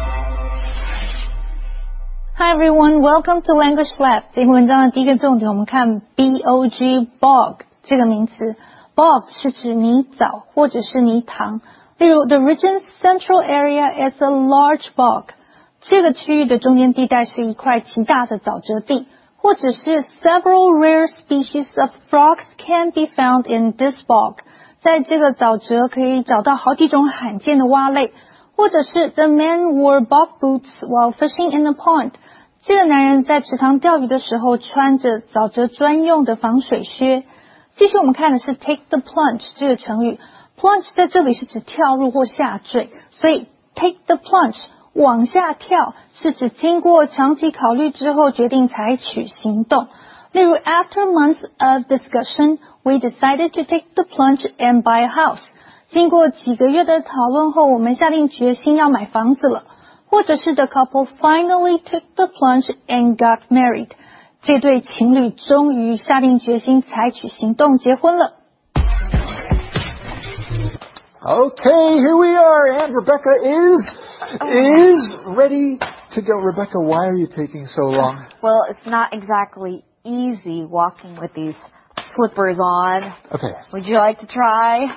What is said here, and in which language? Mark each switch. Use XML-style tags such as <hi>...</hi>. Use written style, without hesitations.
<en>Hi everyone, welcome to Language Lab.</en> <zh>今天文章的第一个重点我们看 BOG, bog, 这个名词。 Bog 是指泥沼或者是泥塘。例如</zh> <en>the region's central area is a large bog.</en> <zh>这个区域的中间地带是一块极大的沼泽地。或者是</zh> <en>several rare species of frogs can be found in this bog.</en> <zh>在这个沼泽可以找到好几种罕见的蛙类。或者是</zh> <en>the man wore bog boots while fishing in the pond.</en> <zh>这个男人在池塘钓鱼的时候穿着沼泽专用的防水靴。继续我们看的是</zh> <en>take the plunge</en> <zh>这个成语。Plunge 在这里是指跳入或下坠，所以 take the plunge 往下跳是指经过长期考虑之后决定采取行动。例如</zh> <en>after months of discussion, we decided to take the plunge and buy a house.</en> <zh>经过几个月的讨论后，我们下定决心要买房子了。或者是</zh> <en>the couple finally took the plunge and got married.</en> <zh>这对情侣终于下定决心采取行动结婚了。</zh> <en>Okay, here we are, and Rebecca is ready to go. Rebecca, why are you taking so long? Well, it's not exactly easy walking with these flippers on. Okay. Would you like to try?</en>